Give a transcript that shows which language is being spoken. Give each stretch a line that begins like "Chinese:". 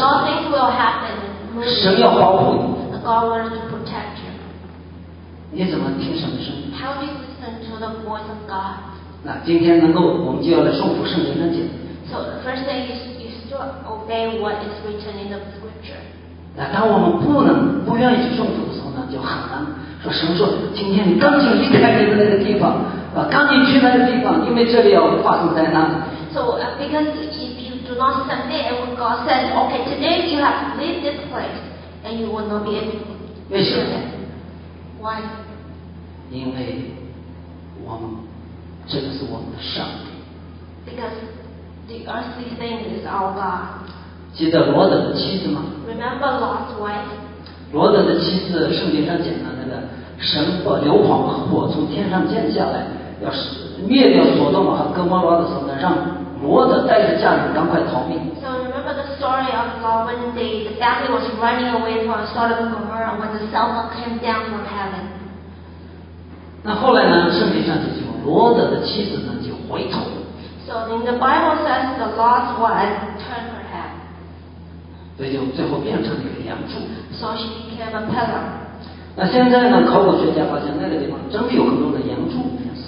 English: 界。A lot of things will happen.
Chinese: 神要保护你。
English: The God wants to protect you.
Chinese: 你怎么听神的声音
English: ？How do you listen to the voice of God?
Chinese: 那今天能够，我们就要来顺服圣经的诫。
English: So the first thing is you still obey what is written in the scripture.
Chinese: 那当我们不愿意去顺服的时候呢，就很难说神说，今天你赶紧离开你的那个地方，赶紧去那个地方，因为这里要发生灾难。
English: So because if you do not submit, and when God says, "Okay, today you have to leave this place," then you will not be able.
Chinese: 为什么？
English: Why?
Chinese: 因为我们这个是我们的上帝。
English: Because the earthly thing is our God.
Chinese: 记得罗德的妻子吗？
English: Remember Lot's wife.
Chinese: 罗德的妻子，圣经上讲的那个神把硫磺和火从天上降下来，要是。灭掉索多玛和哥摩拉的时候呢，让罗德带着家人赶快逃命。
English: So remember the story of Lot when the family was running away from Sodom and Gomorrah when the sulfur came down from heaven.
Chinese: 那后来呢？圣经上就讲罗德的妻子呢就回头。
English: So in the Bible says the Lot's wife turned her head.
Chinese: 所以就最后变成了一个梁柱。
English: So she became a pillar.
Chinese: 那现在呢？考古学家发现那个地方真的有很多的梁柱。